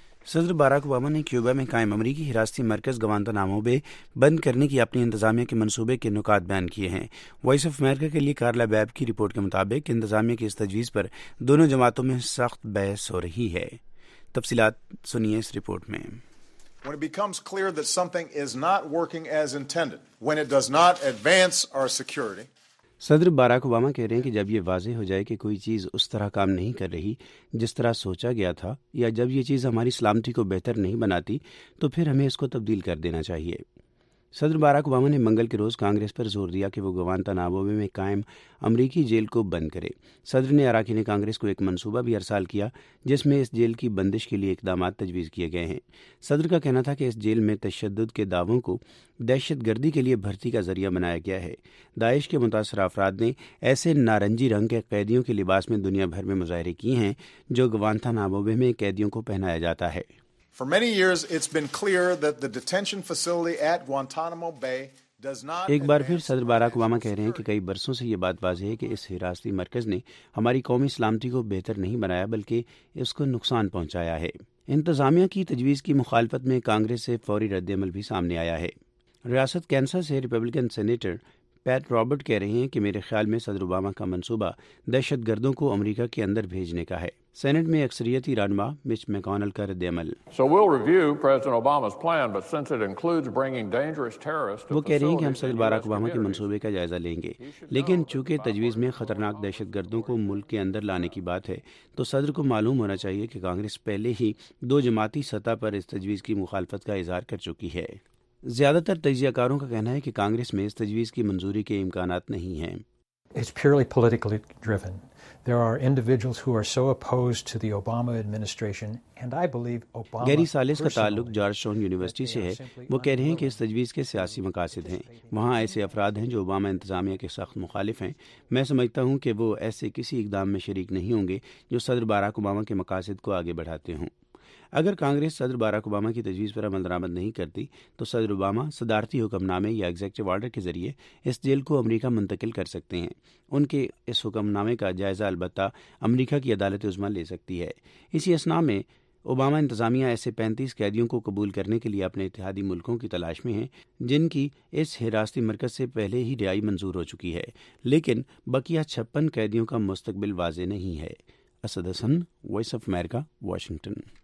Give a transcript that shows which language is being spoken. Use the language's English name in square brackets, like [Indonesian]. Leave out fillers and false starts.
[Urdu] صدر Barack Obama نے Cuba میں قائم امریکی حراستی مرکز گوانتانامو بے بند کرنے کی اپنی انتظامیہ کے منصوبے کے نکات بیان کیے ہیں۔ وائس آف امریکہ کے لیے کارلا بیب کی رپورٹ کے مطابق انتظامیہ کی اس تجویز پر دونوں جماعتوں میں سخت بحث ہو رہی ہے۔ تفصیلات سنیے اس رپورٹ میں۔ [English] When it becomes clear that something is not working as intended, when it does not advance our security, [Urdu] صدر باراک اوباما کہہ رہے ہیں کہ جب یہ واضح ہو جائے کہ کوئی چیز اس طرح کام نہیں کر رہی جس طرح سوچا گیا تھا، یا جب یہ چیز ہماری سلامتی کو بہتر نہیں بناتی، تو پھر ہمیں اس کو تبدیل کر دینا چاہیے۔ صدر باراک اوباما نے منگل کے روز کانگریس پر زور دیا کہ وہ گوانتانامو بے میں قائم امریکی جیل کو بند کرے۔ صدر نے اراکین کانگریس کو ایک منصوبہ بھی ارسال کیا جس میں اس جیل کی بندش کے لیے اقدامات تجویز کیے گئے ہیں۔ صدر کا کہنا تھا کہ اس جیل میں تشدد کے دعووں کو دہشت گردی کے لیے بھرتی کا ذریعہ بنایا گیا ہے۔ داعش کے متاثر افراد نے ایسے نارنجی رنگ کے قیدیوں کے لباس میں دنیا بھر میں مظاہرے کیے ہیں جو گوانتانامو بے میں قیدیوں کو پہنایا جاتا ہے۔ [English] For many years it's been clear that the detention facility at Guantanamo Bay does not [Urdu] ایک بار پھر صدر باراک اوباما کہہ رہے ہیں کہ کئی برسوں سے یہ بات واضح ہے کہ اس حراستی مرکز نے ہماری قومی سلامتی کو بہتر نہیں بنایا بلکہ اس کو نقصان پہنچایا ہے۔ انتظامیہ کی تجویز کی مخالفت میں کانگریس سے فوری رد عمل بھی سامنے آیا ہے۔ ریاست کینساس سے ریپبلکن سینیٹر پیٹ رابرٹ کہہ رہے ہیں کہ میرے خیال میں صدر اوباما کا منصوبہ دہشت گردوں کو امریکہ کے اندر بھیجنے کا ہے۔ سینٹ میں اکثریتی رانما مچ میکونل کا رد عمل۔ وہ کہہ رہے ہیں کہ ہم صدر باراک اوباما کے منصوبے کا جائزہ لیں گے، لیکن چونکہ تجویز میں خطرناک دہشت گردوں کو ملک کے اندر لانے کی بات ہے، تو صدر کو معلوم ہونا چاہیے کہ کانگریس پہلے ہی دو جماعتی سطح پر اس تجویز کی مخالفت کا اظہار کر چکی ہے۔ زیادہ تر تجزیہ کاروں کا کہنا ہے کہ کانگریس میں اس تجویز کی منظوری کے امکانات نہیں ہیں۔ [English] It's purely politically driven. There are individuals who are so opposed to the Obama administration and I believe Obama [Urdu] گیری سالس کا تعلق جارج شون یونیورسٹی سے ہے۔ وہ کہہ رہے ہیں کہ اس تجویز کے سیاسی مقاصد ہیں۔ وہاں ایسے افراد ہیں جو اوباما انتظامیہ کے سخت مخالف ہیں۔ میں سمجھتا ہوں کہ وہ ایسے کسی اقدام میں شریک نہیں ہوں گے جو صدر باراک اوباما کے مقاصد کو آگے بڑھاتے ہوں۔ اگر کانگریس صدر باراک اوباما کی تجویز پر عمل درآمد نہیں کرتی، تو صدر اوباما صدارتی حکم نامے یا ایگزیکٹو آرڈر کے ذریعے اس جیل کو امریکہ منتقل کر سکتے ہیں۔ ان کے اس حکم نامے کا جائزہ البتہ امریکہ کی عدالت عظمیٰ لے سکتی ہے۔ اسی اثنا میں اوباما انتظامیہ ایسے 35 قیدیوں کو قبول کرنے کے لیے اپنے اتحادی ملکوں کی تلاش میں ہیں جن کی اس حراستی مرکز سے پہلے ہی رہائی منظور ہو چکی ہے، لیکن بقیہ 56 قیدیوں کا مستقبل واضح نہیں ہے۔ اسد حسن، وائس آف امریکہ، واشنگٹن۔